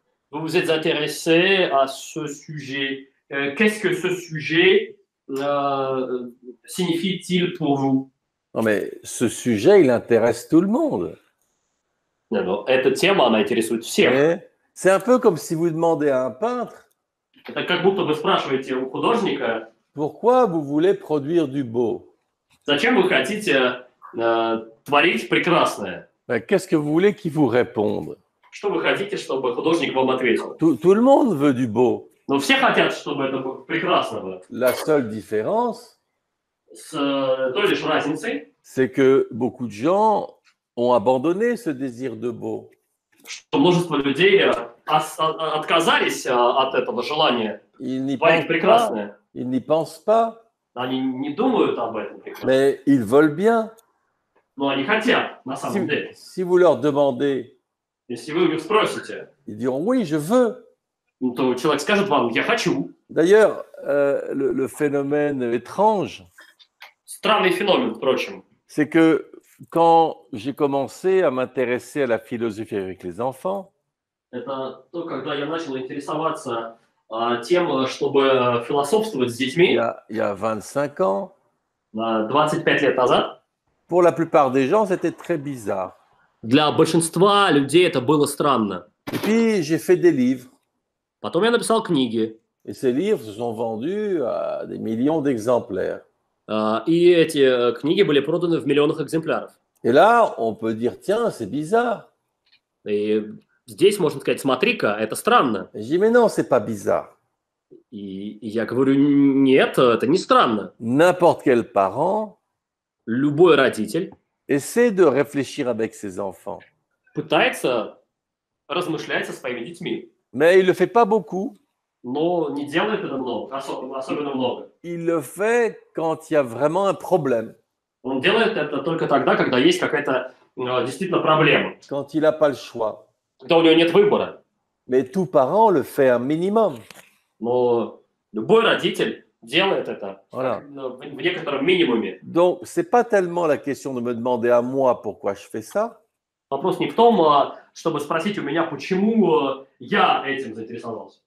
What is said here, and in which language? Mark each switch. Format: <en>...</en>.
<fr>Vous vous êtes intéressé à ce sujet. Qu'est-ce que ce sujet signifie-t-il pour vous? Non, mais ce sujet, il intéresse tout le monde. Non, non, cette thème, elle intéresse tout le monde. C'est un peu comme si vous demandez à un peintre. C'est comme si vous demandez à un peintre. Pourquoi vous voulez produire du beau?</fr> <ru>Зачем вы хотите творить прекрасное?</ru> <fr>Mais qu'est-ce que vous voulez qu'il vous réponde?</fr> <ru>Что вы хотите, чтобы художник вам ответил?</ru> <fr>Tout le monde veut du beau.</fr> <ru>Но все хотят, чтобы это было прекрасного.</ru> <fr>La seule différence,</fr> <ru>той лишь разницей,</ru> <fr>c'est que beaucoup de gens ont abandonné ce désir de beau.</fr> <ru>Что множество людей отказались от этого желания творить прекрасное.</ru> <fr>Ils n'y pensent pas.</fr> <ru>Они не думают об этом.</ru> <fr>Mais ils veulent bien.</fr> <ru>Но они хотят, на самом деле.</ru> <fr>Si vous leur demandez,</fr> <ru>если вы их спросите,</ru> <fr>ils diront, oui, je veux.</fr> <ru>То человек скажет вам, я хочу.</ru> <fr>D'ailleurs, le phénomène étrange,</fr> <ru>странный феномен, впрочем,</ru> <fr>c'est que quand j'ai commencé à m'intéresser à la philosophie avec les enfants,</fr> <ru>это то, когда я начал интересоваться тем, чтобы философствовать с детьми,</ru> <fr>il y a 25 ans,</fr> <ru>25 лет назад,</ru> <fr>pour la plupart des gens, c'était très bizarre.</fr> <ru>Для большинства людей это было странно.</ru> <fr>Et puis, j'ai fait des livres.</fr> <ru>Потом я написал книги.</ru> <fr>Et ces livres sont vendus à des millions d'exemplaires.</fr> <ru>И эти книги были проданы в миллионах экземпляров.</ru> <fr>Et là, on peut dire, tiens, c'est bizarre.</fr> <ru>И здесь можно сказать, смотри-ка, это странно.</ru> <fr>Et je dis, mais non, c'est pas bizarre.</fr> <ru>И я говорю, нет, это не странно.</ru> <fr>N'importe quel parent,</fr> <ru>любой родитель,</ru> <fr>essaie de réfléchir avec ses enfants.</fr> <ru>Пытается размышлять со своими детьми.</ru> <fr>Mais il le fait pas beaucoup.</fr> <ru>Но не делает это много, особенно много.</ru> <fr>Il le fait quand il y a vraiment un problème.</fr> <ru>Он делает это только тогда, когда есть какая-то действительно проблема.</ru> <fr>Quand il a pas le choix.</fr> <ru>Когда у него нет выбора.</ru> <fr>Mais tout parent le fait un minimum.</fr> <ru>Но любой родитель делает это</ru> <fr>voilà.</fr> <ru>В некотором минимуме.</ru> <fr>Donc, c'est pas tellement la question de me demander à moi pourquoi je fais ça.</fr> <ru>Вопрос не в том, чтобы спросить у меня, почему я этим заинтересовался.</ru>